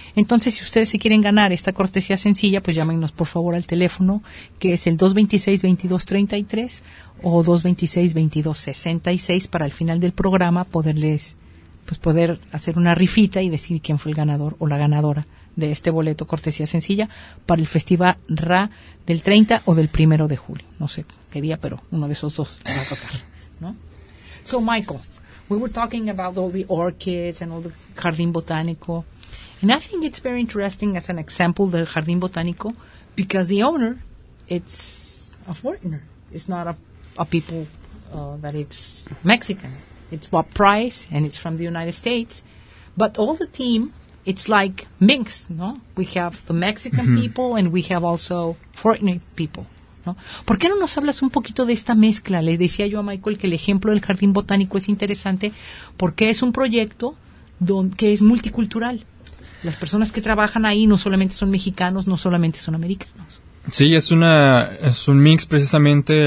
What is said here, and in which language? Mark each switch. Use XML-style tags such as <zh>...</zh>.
<es>Entonces, si ustedes se quieren ganar esta cortesía sencilla, pues llámenos por favor al teléfono, que es el 226-2233 o 226-2266, para al final del programa poder hacer una rifita y decir quién fue el ganador o la ganadora de este boleto cortesía sencilla para el Festival Ra del 30 o del 1 de julio. No sé qué día, pero uno de esos dos va a tocar, ¿no?</es> <en>So, Michael, we were talking about all the orchids and all the Jardín Botánico. And I think it's very interesting as an example del Jardín Botánico because the owner, it's a foreigner. It's not a people that it's Mexican. It's Bob Price and it's from the United States. But all the team... it's like mix, no? We have the Mexican mm-hmm. people and we have also foreign people, no?</en> <es>¿Por qué no nos hablas un poquito de esta mezcla? Le decía yo a Michael que el ejemplo del Jardín Botánico es interesante porque es un proyecto que es multicultural. Las personas que trabajan ahí no solamente son mexicanos, no solamente son americanos. Sí, es un mix precisamente.</es>